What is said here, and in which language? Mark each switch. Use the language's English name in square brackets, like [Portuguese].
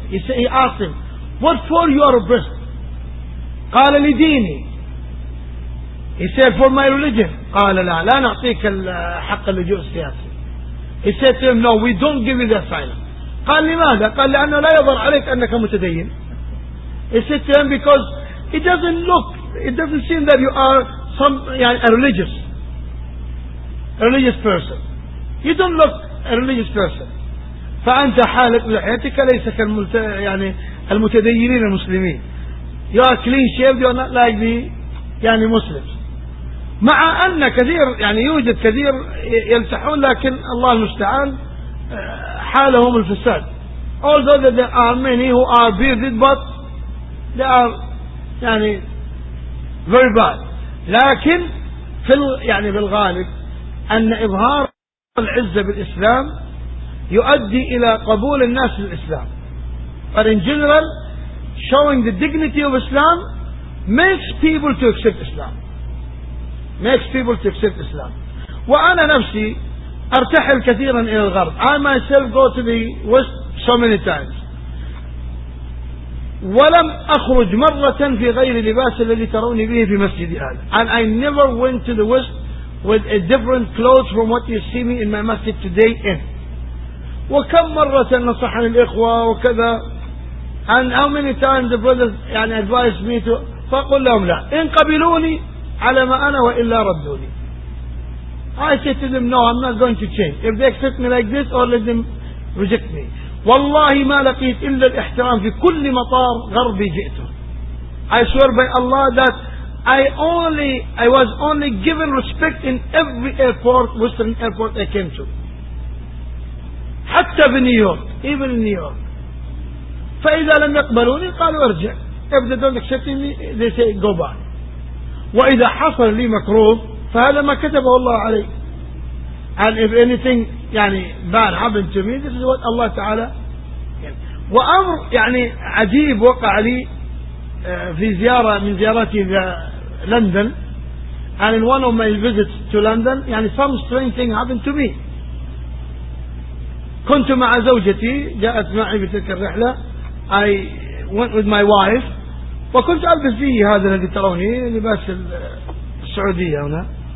[English] He asked him, what for you are oppressed? [Arabic] قال لديني. [English] He said, for my religion. [Arabic] قال لا نعطيك حق اللجوء السياسي. [English] He said to him, no, we don't give you the asylum. [Arabic] قال لماذا؟ قال لأنه لا يظهر عليك أنك متدين. [English] He said to him, because it doesn't seem that you are a religious person. You don't look a religious person. [Arabic] فأنت حالك لحياتك ليس يعني المتدينين المسلمين. [English] You are clean shaved, you are not like the يعني Muslims. [Arabic] مع أن كثير يعني يوجد كثير يمسحون، لكن الله المستعان حالهم الفساد. [English] Although that there are many who are bearded, but they are يعني very bad. [Arabic] لكن في يعني بالغالب أن إظهار العزة بالإسلام يؤدي إلى قبول الناس للإسلام. [English] But in general, showing the dignity of Islam makes people to accept Islam. Makes people to accept Islam. [Arabic] وأنا نفسي أرتحل كثيرا إلى الغرب. [English] I myself go to the West so many times. [Arabic] ولم أخرج مرة في غير لباس الذي تروني به في مسجدي هذا. [English] And I never went to the West with a different clothes from what you see me in my masjid today in. [Arabic] وكم مرة نصحني الإخوة وكذا. [English] And how many times the brothers يعني advised me to. [Arabic] فأقول لهم لا. إن قبلوني على ما أنا وإلا ردوني. [English] I said to them, no, I'm not going to change. If they accept me like this or let them reject me. [Arabic] والله ما لقيت إلا الاحترام في كل مطار غربي جئته. [English] I swear by Allah that I was only given respect in every airport, Western airport I came to. [Arabic] حتى في نيويورك. [English] Even in New York. [Arabic] فإذا لم يقبلوني قالوا ارجع. [English] If they don't accept me, they say go back. [Arabic] وإذا حصل لي مكروه فهذا ما كتبه الله علي. [English] And if anything يعني bad happened to me, this is what Allah تعالى يعني. [Arabic] وأمر يعني عجيب وقع لي في زيارة من زياراتي إلى لندن. [English] And in one of my visits to London, يعني some strange thing happened to me. [Arabic] كنت مع زوجتي، جاءت معي في تلك الرحلة. [English] I went with my wife. [Arabic] وكنت ألبس فيه هذا الذي تروني لباس السعودية هنا.